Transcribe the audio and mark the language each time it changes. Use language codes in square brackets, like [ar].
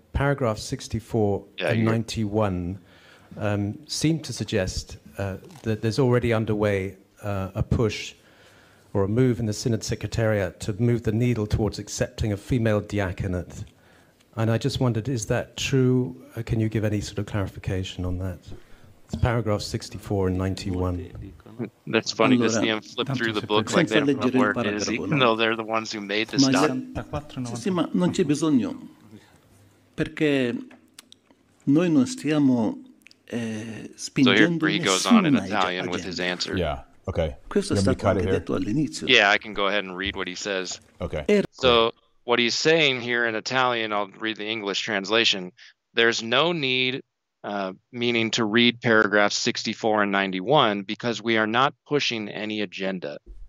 [en] Paragraph 64 and 91 seem to suggest that there's already underway a push or a move in the Synod Secretariat to move the needle towards accepting a female diaconate. And I just wondered, is that true? Can you give any sort of clarification on that? It's paragraph 64 and 91. That's funny, because allora, see flip through the book like they don't know where it is, even though they're the ones who made this document. [it] Sì, ma non c'è bisogno, perché noi non stiamo spingendo nessuna [en] agenda. So here he goes on in Italian with his answer. Yeah. Okay. [it] Questo è stato anche detto all'inizio. [en] Yeah, I can go ahead and read what he says. Okay. So what he's saying here in Italian, I'll read the English translation. There's no need, meaning to read paragraphs 64 and 91, because we are not pushing any agenda.